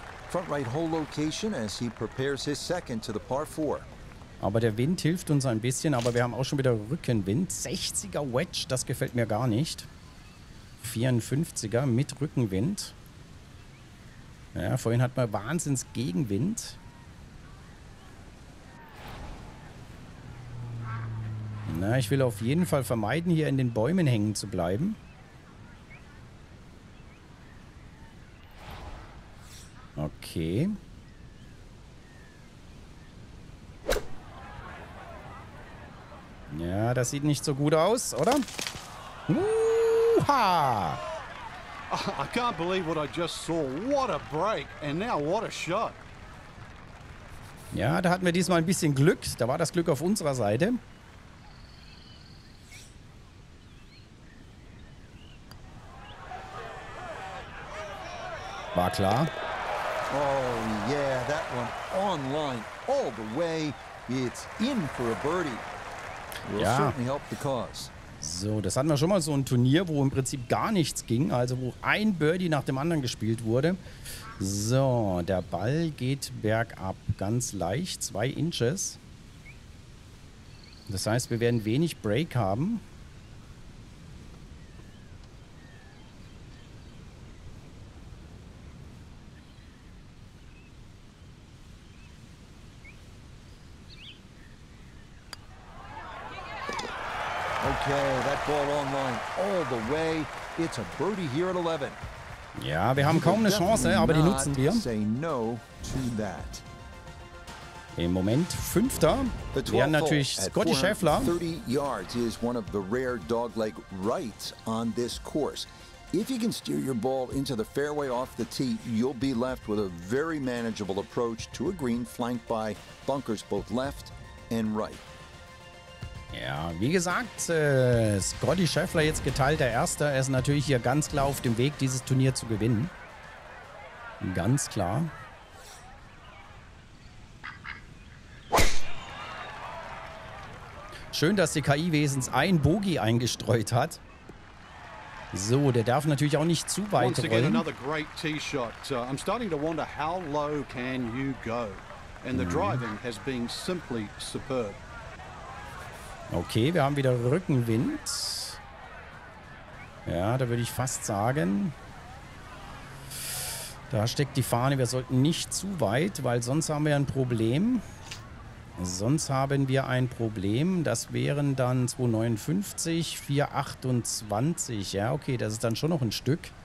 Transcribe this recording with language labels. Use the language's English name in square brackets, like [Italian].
[English] Front right hole location as he prepares his second to the par 4. [German] Aber der Wind hilft uns ein bisschen, aber wir haben auch schon wieder Rückenwind. 60er Wedge, das gefällt mir gar nicht. 54er mit Rückenwind. Ja, vorhin hatten wir Wahnsinns Gegenwind. Na, ich will auf jeden Fall vermeiden, hier in den Bäumen hängen zu bleiben. Okay. Ja, das sieht nicht so gut aus, oder? Wooha! [English] I can't believe what I just saw. What a break. And now what a shot. [German] Ja, da hatten wir diesmal ein bisschen Glück. Da war das Glück auf unserer Seite. War klar. [English] Oh yeah, that one online all the way. It's in for a birdie. [German] Will ja. [English] Certainly help the cause. [German] So, das hatten wir schon mal so ein Turnier, wo im Prinzip gar nichts ging, also wo ein Birdie nach dem anderen gespielt wurde. So, der Ball geht bergab, ganz leicht, 2 inches. Das heißt, wir werden wenig Break haben. [English] Ball online all the way. It's a birdie here at 11. [German] Ja, wir haben kaum eine Chance, aber die nutzen wir. [English] Say no to that. [German] Im Moment Fünfter. Wären natürlich Scotty Scheffler. [English] 30 yards is one of the rare dogleg rights on this course. If you can steer your ball into the fairway off the tee, you'll be left with a very manageable approach to a green flanked by bunkers both left and right. [German] Ja, wie gesagt, Scotty Scheffler jetzt geteilter Erster. Er ist natürlich hier ganz klar auf dem Weg, dieses Turnier zu gewinnen. Ganz klar. Schön, dass die KI wenigstens ein Bogey eingestreut hat. So, der darf natürlich auch nicht zu weit rollen. [English] Once again, another great tee shot. I'm starting to wonder, how low can you go? And the driving has been simply superb. [German] Okay, wir haben wieder Rückenwind. Ja, da würde ich fast sagen, da steckt die Fahne. Wir sollten nicht zu weit, weil sonst haben wir ein Problem. Sonst haben wir ein Problem. Das wären dann 2,59, 4,28. Ja, okay, das ist dann schon noch ein Stück.